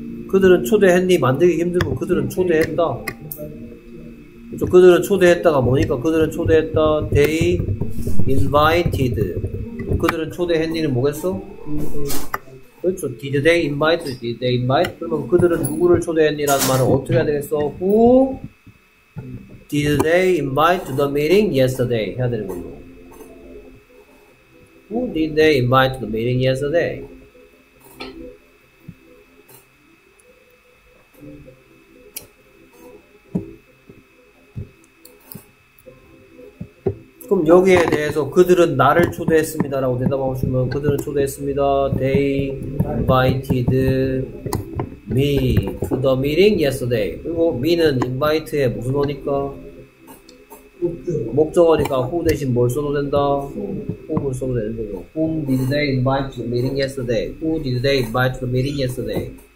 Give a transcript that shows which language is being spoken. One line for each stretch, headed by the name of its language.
Korean: 그들은 초대했니 만들기 힘들면 그들은 초대했다. 그렇죠? 그들은 초대했다가 뭐니까? 그들은 초대했다.
English: They invited.
Korean: 그들은 초대했니는 뭐겠어? 그렇죠.
English: Did they invite? Did they invite?
Korean: 그러면 그들은 누구를 초대했니라는 말은 어떻게 해야 되겠어?
English: Who did they invite to the meeting yesterday?
Korean: 해야 되는 거죠.
English: Who did they invite to the meeting yesterday?
Korean: 그럼 여기에 대해서 그들은 나를 초대했습니다 라고 대답하고 싶으면 그들은 초대했습니다.
English: They invited me to the meeting yesterday.
Korean: 그리고 me는 invite의 무슨 어니까? 목적어니까 who 대신 뭘 써도 된다? whom을 써도 되는 거죠.
English: Whom did they invite to the meeting yesterday? Who did they invite to the meeting yesterday?